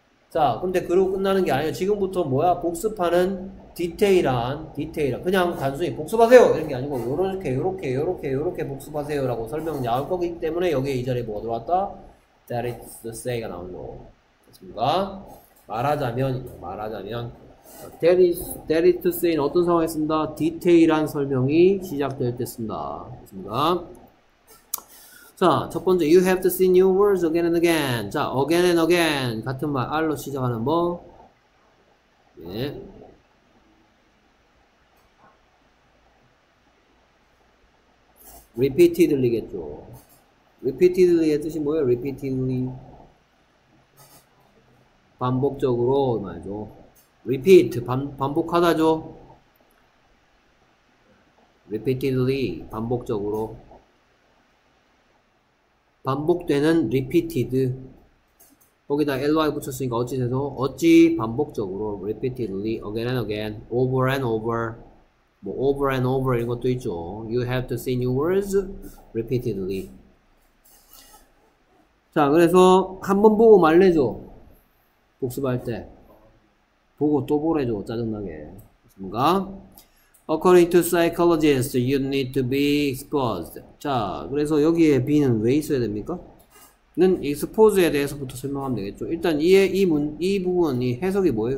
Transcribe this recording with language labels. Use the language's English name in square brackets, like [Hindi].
[Korean] 자, 근데 그러고 끝나는 게 아니에요. 지금부터 뭐야? 복습하는 디테일한 그냥 단순히 복습하세요 이런 게 아니고 요렇게 복습하세요라고 설명이 나올 거기 때문에 여기에 이 자리에 뭐가 들어왔다? That is to say가 나온 거. 됐습니까? 말하자면 that is to say는 어떤 상황에 쓴다? 디테일한 설명이 시작될 때 쓴다. 됐습니까? 자, 첫 번째 [English] you have to see new words again and again. [Korean] 자, again and again 같은 말 R로 시작하는 뭐? 예. 리피티들리겠죠. 리피티들리의 뜻이 뭐예요? 리피티들리 반복적으로 말이죠. 리피트 반복하다죠. 리피티들리 반복적으로 반복되는 리피티드 거기다 ly 붙였으니까 어찌 반복적으로 리피티들리 [English] again and again over and over [Korean] 뭐 over and over 이런 것도 있죠. [English] You have to say new words repeatedly. [Korean] 자, 그래서 한번 보고 말래죠. 복습할 때 보고 또 보래죠. 짜증나게. 뭔가 [English] according to psychologists, you need to be exposed. [Korean] 자, 그래서 여기에 be는 왜 있어야 됩니까? 는 expose에 대해서부터 설명하면 되겠죠. 일단 이 부분 이 해석이 뭐예요?